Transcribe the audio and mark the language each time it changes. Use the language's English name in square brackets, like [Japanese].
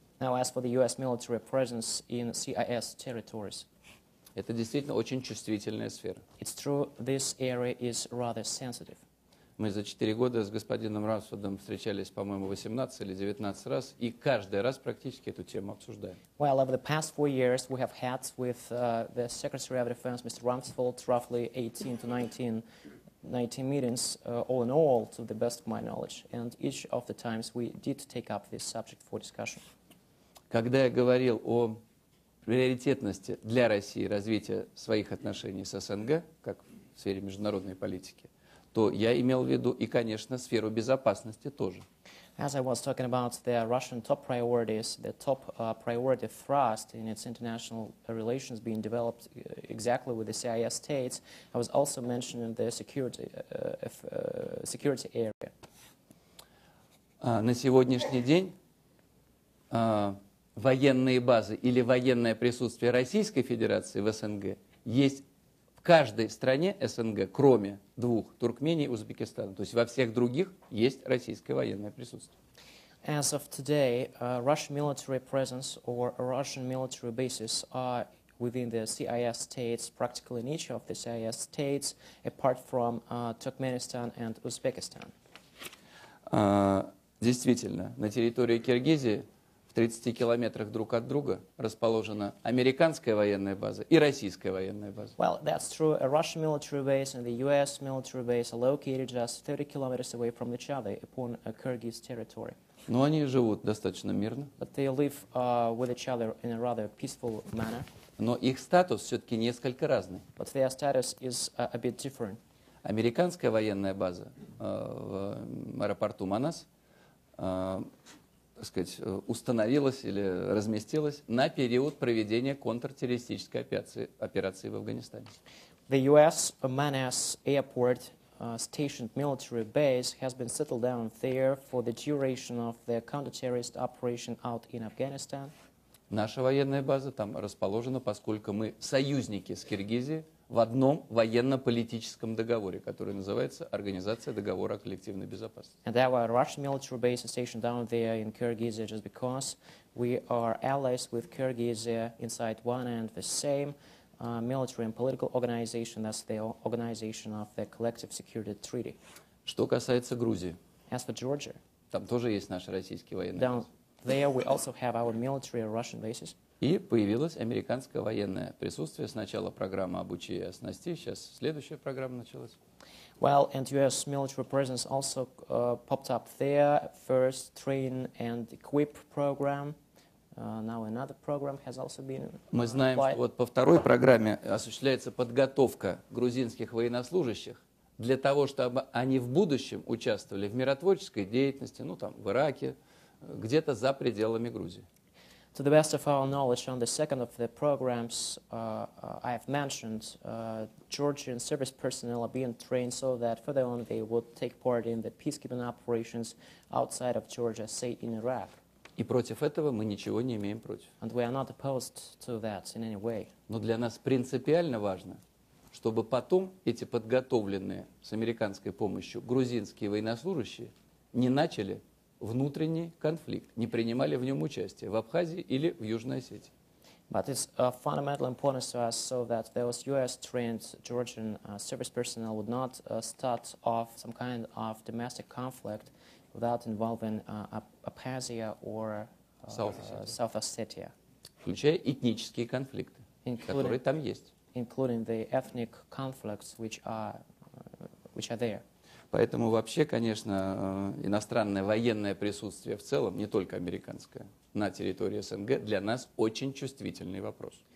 [English] Now, as for the U.S. military presence in CIS territories. [Russian] Это действительно очень чувствительная сфера. [English] It's true, this area is rather sensitive. [Russian] Мы за 4 года с господином Раунсвордом встречались, по-моему, 18 или 19 раз, и каждый раз практически эту тему обсуждаем. [English] Well, over the past 4 years, we have had with the Secretary of Defense, Mr. Rumsfeld, roughly 18 to 19 meetings, all in all, to the best of my knowledge. And each of the times we did take up this subject for discussion. [Russian] Когда я говорил о приоритетности для России развития своих отношений с СНГ, как в сфере международной политики, то я имел в виду и, конечно, сферу безопасности тоже. [English] As I was talking about the Russian top priorities, the top priority thrust in its international relations being developed exactly with the CIS states, I was also mentioning the security area. [Russian] На сегодняшний день военные базы или военное присутствие Российской Федерации в СНГ есть в каждой стране СНГ, кроме двух, Туркмении и Узбекистана. То есть во всех других есть российское военное присутствие. [English] As of today, Russian military presence or Russian military bases are within the CIS states, practically in each of the CIS states, apart from Turkmenistan and Uzbekistan. [Russian] Действительно, на территории Киргизии в 30 километрах друг от друга расположена американская военная база и российская военная база. [English] Well, that's true. A Russian military base and the US military base are located just 30 kilometers away from each other upon a Kyrgyz territory. [Russian] Но они живут достаточно мирно. [English] But they live with each other in a rather peaceful manner. [Russian] Но их статус все-таки несколько разный. [English] But their status is a bit different. [Russian] Американская военная база в аэропорту Манас установилась или разместилась на период проведения контртеррористической операции в Афганистане. [English] The US Manas Airport stationed military base has been settled down there for the duration of the counter-terrorist operation out in Afghanistan. [Russian] Наша военная база там расположена, поскольку мы союзники с Киргизией в одном военно-политическом договоре, который называется «Организация договора о коллективной безопасности». [English] And our Russian military base is stationed down there in Kyrgyzstan just because we are allies with Kyrgyzstan inside one and the same military and political organization, that's the organization of the Collective Security Treaty. [Russian] Что касается Грузии. [English] As for Georgia. [Russian] Там тоже есть наши российские военные [English] bases. Down there we also have our military Russian bases. [Russian] И появилось американское военное присутствие. Сначала программа обучения и оснасти, сейчас следующая программа началась. [English] Well, and US military presence also popped up there. First train and equip program. Now another program has also been applied. [Russian] Мы знаем, что вот по второй программе осуществляется подготовка грузинских военнослужащих для того, чтобы они в будущем участвовали в миротворческой деятельности, ну там в Ираке, где-то за пределами Грузии. [English] To the best of our knowledge, on the second of the programs I have mentioned, Georgian service personnel are being trained so that further on they would take part in the peacekeeping operations outside of Georgia, say in Iraq. [Russian] И против этого мы ничего не имеем против. [English] And we are not opposed to that in any way. [Russian] Но для нас принципиально важно, чтобы потом эти подготовленные с американской помощью грузинские военнослужащие не начали внутренний конфликт, не принимали в нем участие в Абхазии или в Южной Осетии. [English] But it's fundamentally important to us so that those US-trained Georgian service personnel would not start off some kind of domestic conflict without involving Abkhazia or South Ossetia. [Russian] Включая этнические конфликты, которые там есть. [English] Including the ethnic conflicts which are there. [Russian] Поэтому вообще, конечно, иностранное военное присутствие в целом, не только американское, на территории СНГ, для нас очень чувствительный вопрос.